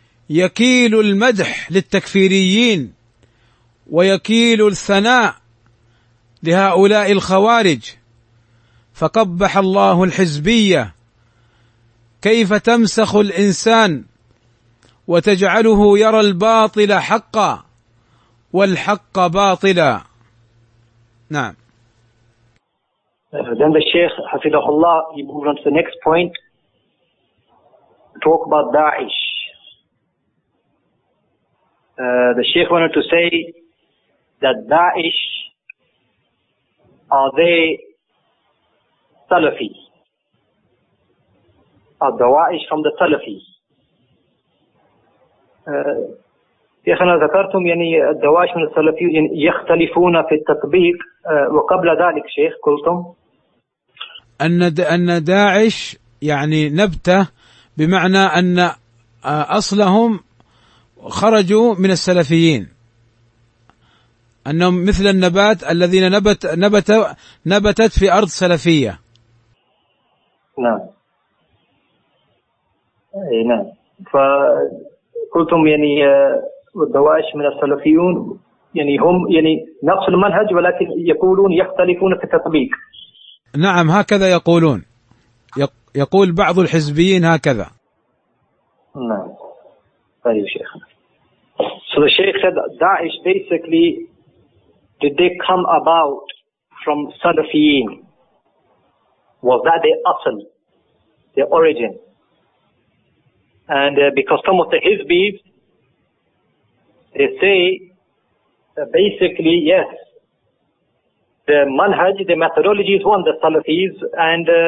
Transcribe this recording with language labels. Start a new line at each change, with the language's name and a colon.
Arabic: يكيل المدح للتكفيريين ويكيل الثناء لهؤلاء الخوارج فقبح الله الحزبية كيف تمسخ الإنسان وتجعله يرى الباطل حقا والحق باطلا نعم.
English: Then the Sheikh
Arabic: حفظه الله,
English: he moved on to the next point, talk about Daesh. The Sheikh wanted to say that Daesh are they Salafis? Are Dawa'ish from the Salafis?
Arabic: شيخنا ذكرتم يعني الدواعش من السلفيين يختلفون في التطبيق وقبل ذلك شيخ قلتم أن داعش يعني نبتة بمعنى أن أصلهم خرجوا من السلفيين أنهم مثل النبات الذين نبتت في أرض سلفية نعم فقلتم يعني الدواعش من السلفيون يعني هم يعني نفس المنهج ولكن يقولون يختلفون في التطبيق نعم هكذا يقولون يقول بعض الحزبيين هكذا نعم طيب شيخ
English: so the sheikh said Daesh basically did they come about from Salafiyin was that their asal their origin and because some of the Hizbis they say basically yes the manhaj the methodology is one the Salafis and